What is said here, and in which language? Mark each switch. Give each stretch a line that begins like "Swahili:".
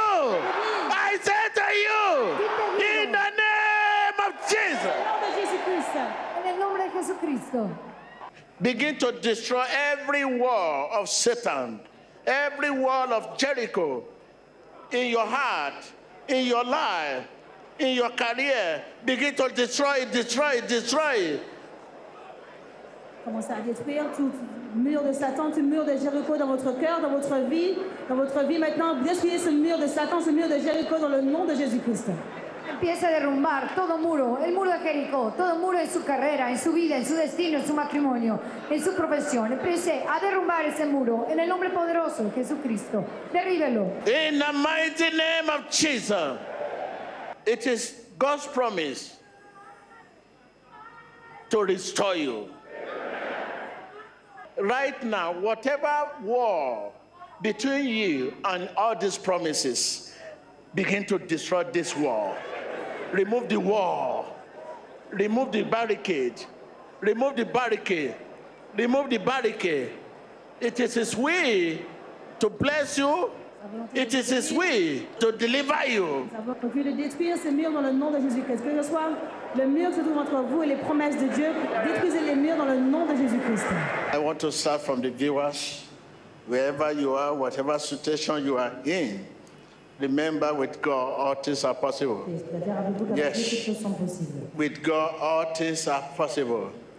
English: I say to you, in the name of Jesus, begin to destroy every wall of Satan, every wall of Jericho, in your heart, in your life, in your career. Begin to destroy it, destroy it, destroy it.
French: Commencez à détruire tout mur de Satan, tout mur de Jéricho dans votre cœur, dans votre vie. Dans votre vie maintenant, détruisez ce mur de Satan, ce mur de Jéricho dans le nom de Jésus-Christ.
Spanish: Empieza a derrumbar todo muro, el muro de Jericó, todo muro en su carrera, en su vida, en su destino, en su matrimonio, en su profesión. Empiece a derrumbar ese muro en el nombre poderoso de Jesucristo. Derríbelo.
English: In the mighty name of Jesus, it is God's promise to restore you. Right now, whatever war between you and all these promises, begin to destroy this wall. Remove the wall. Remove the barricade. Remove the barricade. Remove the barricade. It is His way to bless you. It is His way to deliver you.
French: Le mur se trouve entre vous et les promesses de Dieu. Détruisez les murs dans le nom de Jésus-Christ.
English: I want to start from the viewers. Wherever you are, whatever situation you are in, remember with God, all things are possible. Yes. With God, all things are possible.